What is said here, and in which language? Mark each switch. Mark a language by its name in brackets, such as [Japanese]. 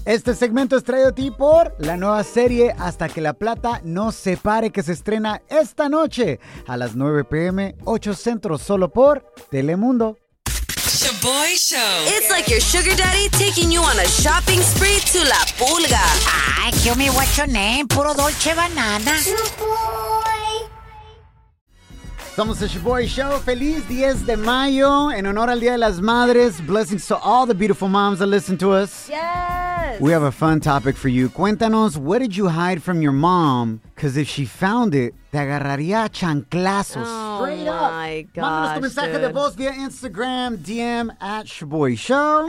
[Spanish] Este segmento es traído a ti por la nueva serie Hasta que la Plata no se pare, que se estrena esta noche a las 9 p.m., 8 Centro, solo por Telemundo. [English] Your Boy Show. It's like your sugar daddy taking you on a shopping spree to La Pulga. Ay, give me what's your name, puro dolce banana. [Spanish] Somos the Shaboy Show. Feliz 10 de mayo. En honor al Día de las Madres. [English] Blessings to all the beautiful moms that listen to us. Yes. We have a fun topic for you. [Spanish] Cuéntanos, [English] what did you hide from your mom? Because if she found it, [Spanish] te agarraría a chanclazos. [English] Oh, straight up. Oh, my gosh. [Spanish] Mándanos tu mensaje de voz via Instagram, DM at Shaboy Show.